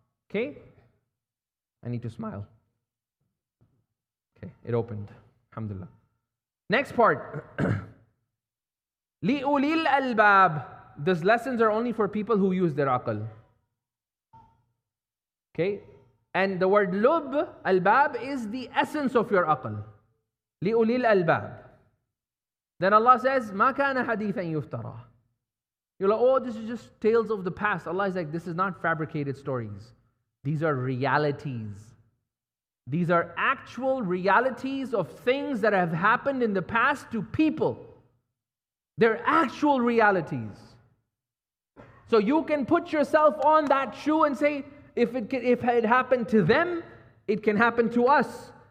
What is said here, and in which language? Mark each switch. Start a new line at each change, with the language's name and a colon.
English: Okay? I need to smile. Okay, it opened. Alhamdulillah. Next part.
Arabic: لِأُولِي الْأَلْبَابِ.
English: These lessons are only for people who use their aql. Okay? And the word lub, albab, is the essence of your aql.
Arabic: لِأُولِي الْأَلْبَابِ.
English: Then Allah says,
Arabic: مَا كَانَ حَدِيثًا يُفْتَرَى.
English: You're like, oh, this is just tales of the past. Allah is like, this is not fabricated stories. These are realities. These are actual realities of things that have happened in the past to people. They're actual realities. So you can put yourself on that shoe and say, if it happened to them, it can happen to us.